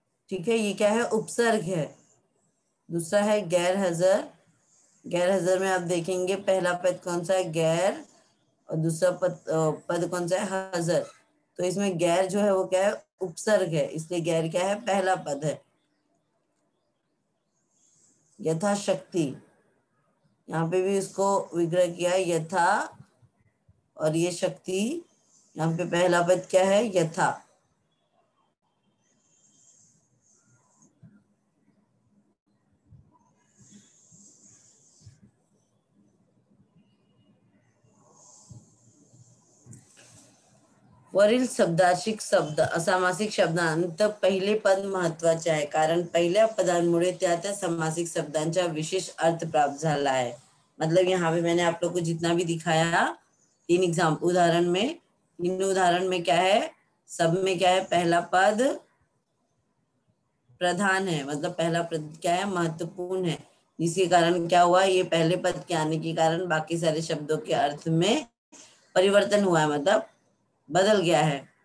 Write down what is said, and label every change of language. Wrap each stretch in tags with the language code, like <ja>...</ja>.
<hi>ठीक है, ये क्या है, उपसर्ग है. दूसरा है गैर हजर, गैर हजर में आप देखेंगे पहला पद कौन सा है, गैर, और दूसरा पद कौन सा है, हजर. तो इसमें गैर जो है वो क्या है, उपसर्ग है, इसलिए गैर क्या है, पहला पद है. यथा शक्ति, यहाँ पे भी उसको विग्रह किया यथा और ये शक्ति, यहाँ पे पहला पद क्या है यथा,</hi> <mr>वरिल शब्दाशिक शब्द असामासिक शब्दांत पहिले पद महत्त्वाचे आहे, कारण पहिल्या पदांमुळे त्या त्या समासिक शब्दांचा विशेष अर्थ प्राप्त झाला आहे।</mr> <hi>मतलब यहाँ पे मैंने आप लोग को जितना भी दिखाया तीन एग्जाम उदाहरण में, इन उदाहरण में क्या है, सब में क्या है, पहला पद प्रधान है, मतलब पहला पद क्या है, महत्वपूर्ण है, जिसके कारण क्या हुआ, ये पहले पद के आने के कारण बाकी सारे शब्दों के अर्थ में परिवर्तन हुआ है, मतलब बदल गया है।</hi>